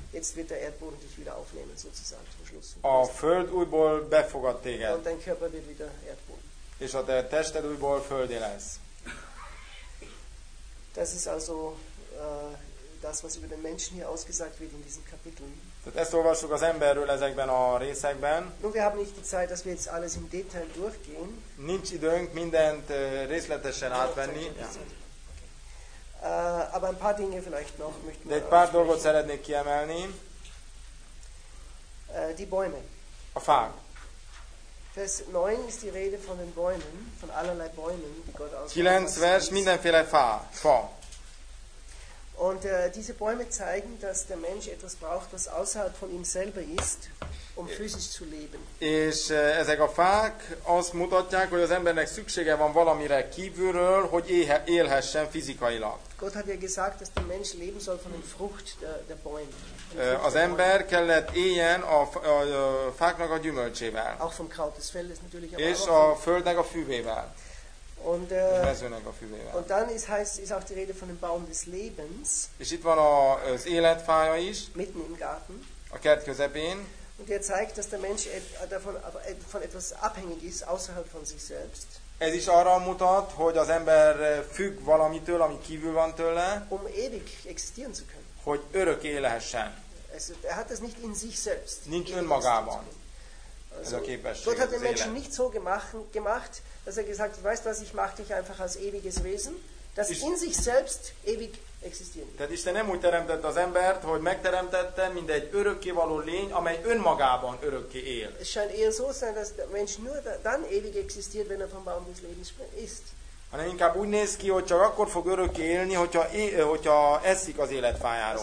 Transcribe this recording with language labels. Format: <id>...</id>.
<de>Jetzt wird der Erdboden dich wieder aufnehmen, sozusagen zum Schluss.</de> <hu>A Föld újból befogad téged.</hu> <de>Und dein Körper wird wieder Erdboden.</de> <hu>És a te tested újból földi lesz.</hu> <de>Das ist also das, was über den Menschen hier ausgesagt wird in diesen Kapiteln.</de> <hu>Tehát ezt olvassuk az emberről ezekben a részekben.</hu> <de>Nun, wir haben nicht die Zeit, dass wir jetzt alles im Detail durchgehen.</de> <hu>Nincs időnk mindent részletesen átvenni.</hu> <de>Aber ein paar Dinge vielleicht noch möchten wir.</de> <hu>De egy pár dolgot szeretnék kiemelni.</hu> <de>Die Bäume.</de> <hu>A fák.</hu> <de>Vers 9 ist die Rede von den Bäumen, von allerlei Bäumen, die Gott ausgesandt hat.</de> <hu>9 Vers, mindenféle fa.</hu> <de>Und diese Bäume zeigen, dass der Mensch etwas braucht, was außerhalb von ihm selber ist, um physisch zu leben.</de> <hu>És ezek a fák azt mutatják, hogy az embernek szüksége van valamire kívülről, hogy élhessen fizikailag.</hu> <de>Gott hat ja gesagt, dass der Mensch leben soll von den Frucht der Bäume.</de> <hu>Az ember kellett éljen a fáknak a gyümölcsével.</hu> <de>Auch vom Kraut des Feldes natürlich,</de> <hu>aber és a földnek a fűvével.</hu> <de>Und</de> <hu>mezőnek a fűvével.</hu> <de>Und dann ist heißt ist auch die Rede von dem Baum des Lebens.</de> <hu>És itt van az életfája is.</hu> <de>Mitten im Garten.</de> <hu>A kert közepén.</hu> <de>Und er zeigt, dass der Mensch von etwas abhängig ist außerhalb von sich selbst.</de> <hu>Ez is arra mutat, hogy az ember függ valamitől, ami kívül van tőle.</hu> <de>Um ewig existieren zu können.</de> <hu>Hogy örök élhessen.</hu> <de>Er hat es nicht in sich selbst.</de> <hu>Nincs önmagában. Ez a képesség.</hu> <de>Gott hat den Menschen nicht so gemacht, dass er gesagt hat, weißt du was, ich mache dich einfach als ewiges Wesen, das in sich selbst ewig existieren.</de> <hu>Tehát Isten nem úgy teremtett az embert, hogy megteremtette, mint egy örökkévaló lény, amely önmagában örökké él.</hu> <de>Es scheint eher so sein, dass der Mensch nur dann ewig existiert, wenn er vom Baum des Lebens isst.</de> <hu>Hanem inkább úgy néz ki, hogy csak akkor fog örökké élni, hogyha eszik az életfájáról.</hu>